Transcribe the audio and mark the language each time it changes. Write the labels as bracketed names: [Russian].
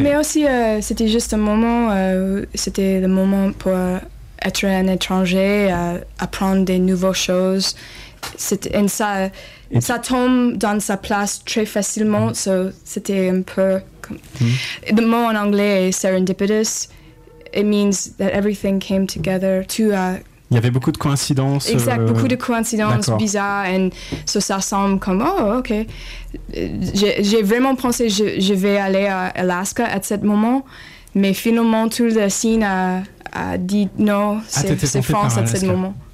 [French] Mais aussi, c'était juste un moment, c'était le moment pour être un étranger, apprendre des nouvelles choses. C'était, et ça, ça tombe dans sa place très facilement, so c'était un peu comme... Le mot en anglais est serendipitous. [English] It means that everything came together to... [French] Il y avait beaucoup de coïncidences. Exact, beaucoup de coïncidences bizarres. Et so, ça semble comme, oh, OK. J'ai vraiment pensé que je vais aller à Alaska à ce moment. Mais finalement, tout le scene a dit non, c'est France à ce moment.